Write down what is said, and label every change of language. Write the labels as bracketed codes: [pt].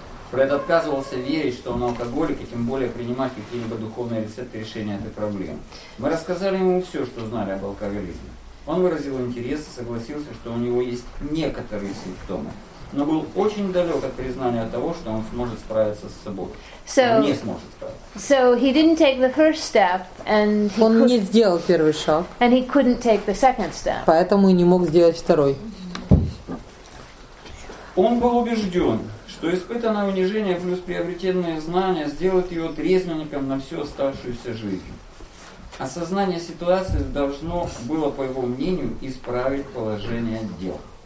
[ru] Фред отказывался верить, что он алкоголик, и тем более принимать какие-либо духовные рецепты решения этой проблемы. Мы рассказали ему все, что знали об алкоголизме. Он выразил интерес и согласился, что у него есть некоторые симптомы, но был очень далек от признания того, что он сможет справиться с собой. Не сможет справиться. [en] So he didn't take the first step, and he [ru] он не сделал первый шаг. [en] And he couldn't take the second step. [ru] Поэтому и не мог сделать второй. Он был убежден, что что испытанное унижение плюс приобретенные знания сделают его трезвенником на всю оставшуюся жизнь. Осознание ситуации должно было, по его мнению, исправить положение дел.